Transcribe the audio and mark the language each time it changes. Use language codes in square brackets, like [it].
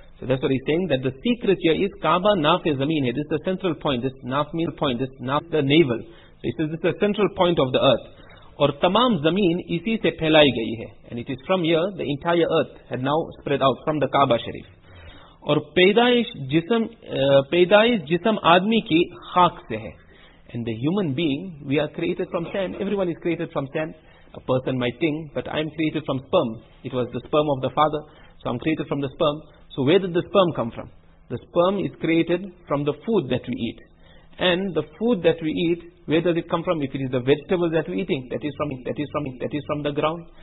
[en] So that's what he's saying, that the secret here is Kaaba naf e zameen. This is the central point. This naf means point. This naf the navel. So he says this is the central point of the earth. [ur] Aur tamam zameen isi se phailai gayi hai. [en] And it is from here, the entire earth had now spread out from the Kaaba Sharif. [ur] اور پیدائش جسم آدمی کی خاک سے ہے. [en] And the human being, we are created from sand. Everyone is created from sand. A person might think, but I am created from sperm. It was the sperm of the father. So I'm created from the sperm. So where did the sperm come from? The sperm is created from the food that we eat. And the food that we eat, where does it come from? If it is the vegetable that we're eating, that is from the ground.